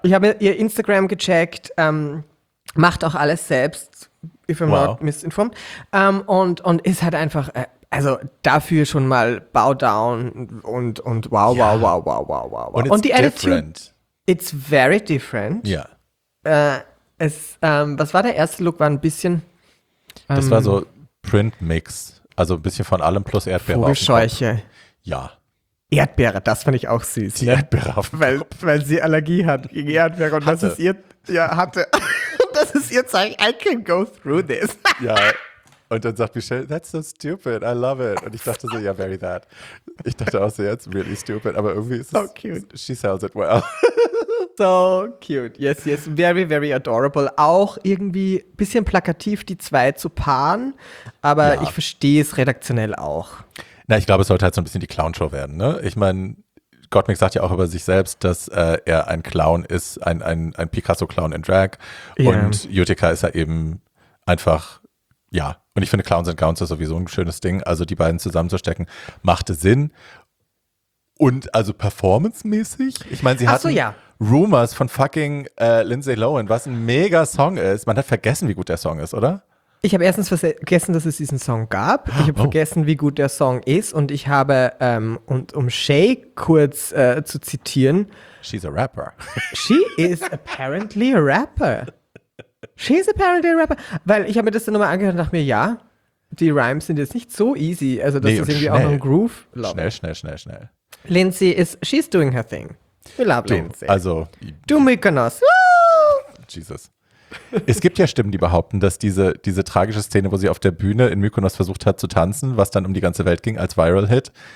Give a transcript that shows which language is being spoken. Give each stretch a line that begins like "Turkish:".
German: Ich habe ihr Instagram gecheckt, macht auch alles selbst,
English: if I'm not misinformed.
German: Und ist halt einfach. Also dafür schon mal
English: bow down
German: und wow. Und die different.
English: Attitude, it's very different.
German: Ja. Was war der erste Look? War ein bisschen. Das war so Print Mix, also ein bisschen von allem plus Erdbeere. Vogelscheuche. Ja. Erdbeere, das fand ich auch süß. Die Erdbeere auf dem Kopf. Weil sie Allergie hat gegen Erdbeere und hatte. Das ist ihr. Ja, hatte. Und das ist ihr Zeichen.
English: I can go through this.
German: Ja. Und dann sagt Michelle,
English: that's so stupid, I love it.
German: Und ich dachte so,
English: yeah, very that.
German: Ich dachte auch so,
English: yeah, it's really stupid,
German: aber irgendwie ist so es,
English: cute. She sells it well. So cute, yes, yes, very, very adorable.
German: Auch irgendwie ein bisschen plakativ, die zwei zu paaren, aber ich verstehe es redaktionell auch. Na, ich glaube, es sollte halt so ein bisschen die Clown-Show werden, ne? Ich meine, Gottmik sagt ja auch über sich selbst, dass er ein Clown ist, ein Picasso-Clown in Drag. Yeah. Und Utica ist ja eben einfach, ja. Und ich finde, Clowns and Gowns ist sowieso ein schönes Ding. Also die beiden zusammenzustecken, machte Sinn. Und also performancemäßig, ich meine, sie hatten Rumors von fucking Lindsay Lohan, was ein mega Song ist. Man hat vergessen, wie gut der Song ist, oder? Ich habe erstens vergessen, dass es diesen Song gab. Ich habe vergessen, wie gut der Song ist. Und ich habe, und um Shay kurz zu zitieren.
English: She's a rapper. She is apparently a rapper. She's apparently a rapper.
German: Weil ich habe mir das dann nochmal angehört und dachte mir, ja, die Rhymes sind jetzt nicht so easy. Also das ist irgendwie auch ein Groove. Schnell.
English: Lindsay she's doing her thing. We love Lindsay.
German: Also. Du Mykonos. Jesus. Es gibt ja Stimmen, die behaupten, dass diese tragische Szene, wo sie auf der Bühne in Mykonos versucht hat zu tanzen, was dann um die ganze Welt ging als Viral Hit.